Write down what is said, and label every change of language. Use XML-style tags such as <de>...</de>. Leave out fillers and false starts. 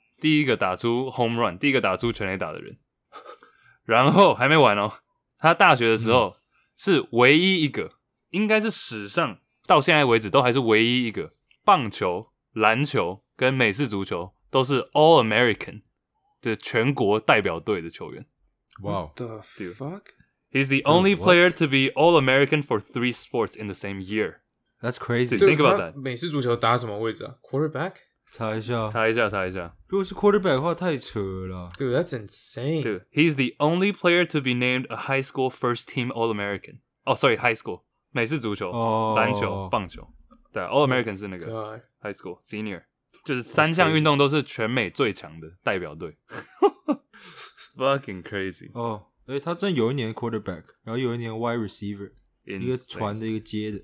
<zh>第一个打出 home run， 第一个打出全垒打的人，然后还没完哦。他大学的时候是唯一一个，应该是史上到现在为止都还是唯一一个棒球、篮球跟美式足球都是 All American 的全国代表队的球员。</zh> <en>Wow, what the fuck? He's the only player to be All American for three sports in the same year. That's crazy. Think about that.</en> <zh>美式足球打什么位置啊 ？Quarterback? 查一下。如果是 quarterback 的话，太扯了。</zh> <en>Dude, that's insane. Dude, he's the only player to be named a high school first team All American. Oh, sorry, high school.</en> <zh>美式足球、篮球、棒球。对、All American 是那个、</zh> <en>high school senior，</en> <zh>就是三项运动都是全美最强的代表队。</zh> <en>Fucking crazy.</en> <zh>哦，哎，他真有一年 quarterback， 然后有一年 wide receiver，、</zh> <en>insane.</en> <zh>一个传的，一个接的。</zh>